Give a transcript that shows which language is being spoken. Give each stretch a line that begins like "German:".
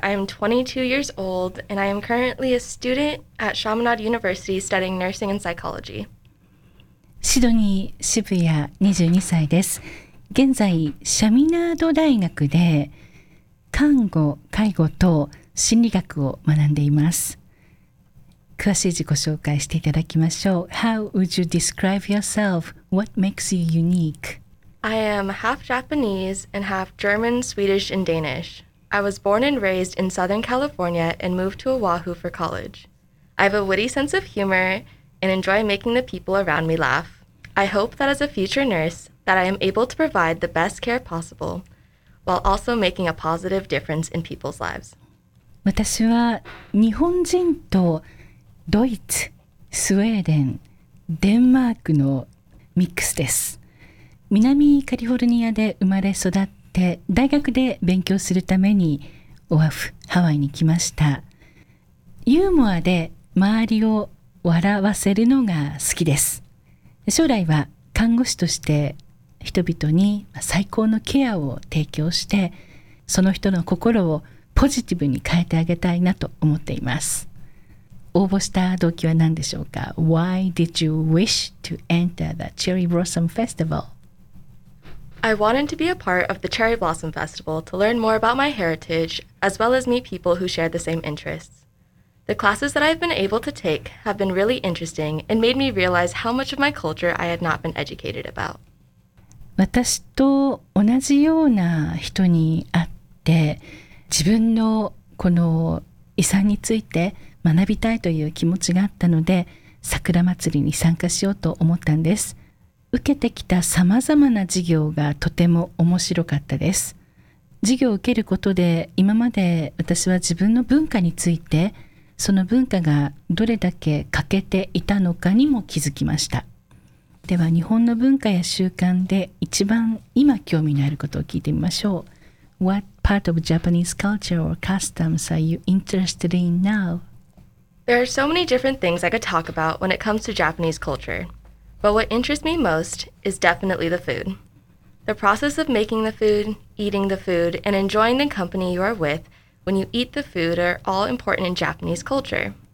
English: I'm 22 years old and I am currently a student at Chaminade University studying nursing and psychology.
Japanese: シドニー・シブヤ、22歳です。現在、シャミナード大学で看護、介護と心理学を学んでいます。詳しい自己紹介していただきましょう。
English: How would you describe yourself? What makes you unique? I am half Japanese and half German, Swedish and Danish. I was born and raised in Southern California and moved to Oahu for college. I have a witty sense of humor and enjoy making the people around me laugh. I hope that as a future nurse, that I am able to provide the best care possible, while also making a positive difference in people's lives.
Japanese: 私は日本人とドイツ、スウェーデン、デンマークのミックスです。南カリフォルニアで生まれ育って、大学で勉強するためにオアフ、ハワイに来ました。ユーモアで周りを笑わせるのが好きです。将来は看護師として人々に最高のケアを提供して、その人の心をポジティブに変えてあげたいなと思っています。応募した動機は何でしょうか？
English: Why did you wish to enter the Cherry Blossom Festival? I wanted to be a part of the Cherry Blossom Festival to learn more about my heritage as well as meet people who share the same interests. The classes that I've been able to take have been really interesting and made me realize how much of my culture I had not been educated about.
Japanese: 私と同じような人に会って、自分のこの遺産について学びたいという気持ちがあったので、桜祭りに参加しようと思ったんです。受けてきた様々な授業がとても面白かったです。授業を受けることで、今まで私は自分の文化についてその文化がどれだけ欠けていたのかにも気づきました。では日本の文化や習慣で一番今興味のあることを聞いてみましょう。
English: What part of Japanese culture or customs are you interested in now? There are so many different things I could talk about when it comes to Japanese culture. But what interests me most is definitely the food. The process of making the food, eating the food, and enjoying the company you are withWhen you eat the food are all important in Japanese culture.